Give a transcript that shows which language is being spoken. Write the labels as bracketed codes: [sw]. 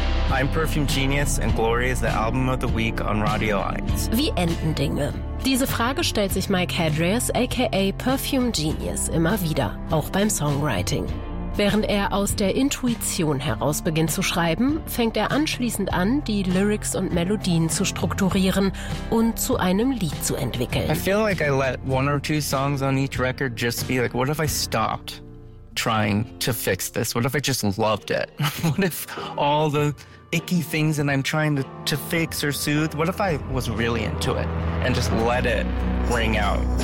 [en] I'm Perfume Genius and Glory is the album of the week on Radio 1. [de] Wie enden Dinge? Diese Frage stellt sich Mike Hadrias aka Perfume Genius immer wieder, auch beim Songwriting. Während er aus der Intuition heraus beginnt zu schreiben, fängt er anschließend an, die Lyrics und Melodien zu strukturieren und zu einem Lied zu entwickeln. [en] I feel like I let one or two songs on each record just be like, what if I stopped trying to fix this? What if I just loved it? What if all the icky things that I'm trying to fix or soothe, what if I was really into it and just let it ring out?